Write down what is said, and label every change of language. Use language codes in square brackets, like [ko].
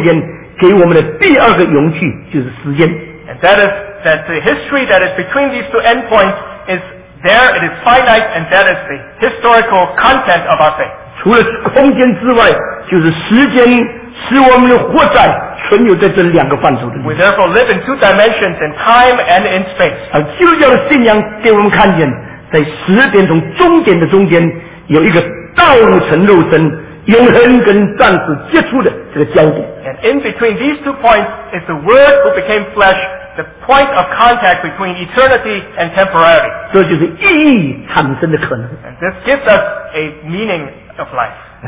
[zh] 是绝对的，是对的，是没有再重复的。这就是神在创造界中间给我们的第二个容器，就是时间。 [en] And that is that the history that is between these two endpoints is there. It is finite, and that is the historical content of our faith. [zh] 除了空间之外，就是时间，使我们活在存有在这两个范畴的。 [en] We therefore live in two dimensions, in time and in space. [zh] 而基督教的信仰给我们看见。在时间从终点的中间，有一个道成肉身、永恒跟暂时接触的这个焦点。 [en] And in between these two points is the Word who became flesh, the point of contact between eternity and temporality. [zh] 这就是意义产生的可能。 [en] And this gives us a meaning of life.